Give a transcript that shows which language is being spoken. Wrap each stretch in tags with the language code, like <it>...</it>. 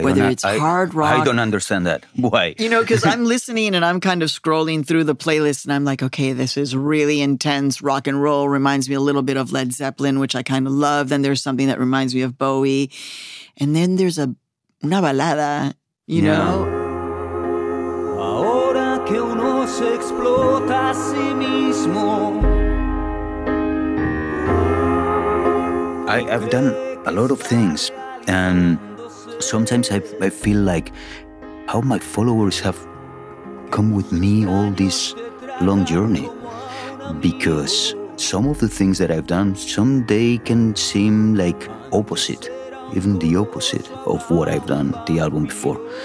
<en>Whether it's hard rock. I don't understand that. Why? You know, because I'm listening and I'm kind of scrolling through the playlist and I'm like, okay, this is really intense rock and roll. Reminds me a little bit of Led Zeppelin, which I kind of love. Then there's something that reminds me of Bowie. And then there's</en> <es>una balada,</es> <en>you know?</en> <es>Ahora que uno se explota a sí mismo.</es> <en>I've done a lot of things, and sometimes I feel like how my followers have come with me all this long journey, because some of the things that I've done, someday can seem like opposite, even the opposite of what I've done the album before.</en>